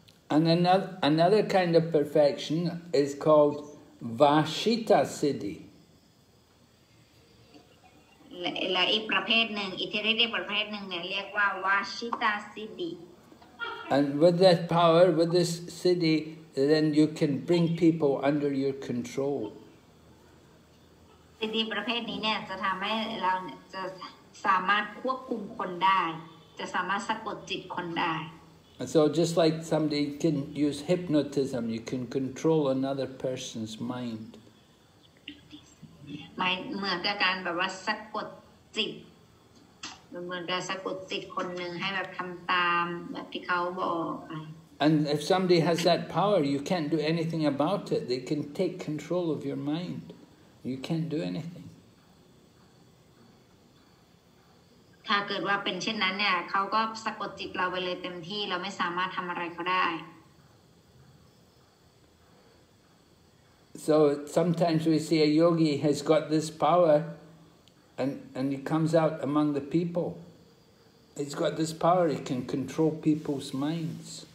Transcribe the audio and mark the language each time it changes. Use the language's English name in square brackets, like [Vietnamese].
[English] And another kind of perfection is called Vashita City [Thai] และอีกประเภทหนึ่งอิทธิฤทธิ์ประเภทหนึ่งเนี่ยเรียกว่า Vashita City [English] And with that power, with this city, then you can bring people under your control. [Thai] City ประเภทนี้เนี่ยจะทำให้เราจะสามารถควบคุมคนได้จะสามารถสะกดจิตคนได้ [English] So just like somebody can use hypnotism, you can control another person's mind. [Thai] เหมือนกับการแบบว่าสะกดจิตเหมือนการสะกดจิตคนหนึ่งให้แบบทำตามแบบที่เขาบอก [English] And if somebody has that power, you can't do anything about it. They can take control of your mind. You can't do anything. [Thai] ถ้าเกิดว่าเป็นเช่นนั้นเนี่ยเขาก็สะกดจิตเราไปเลยเต็มที่เราไม่สามารถทำอะไรเขาได้ [English] So sometimes we see a yogi has got this power. And he comes out among the people. He's got this power, he can control people's minds.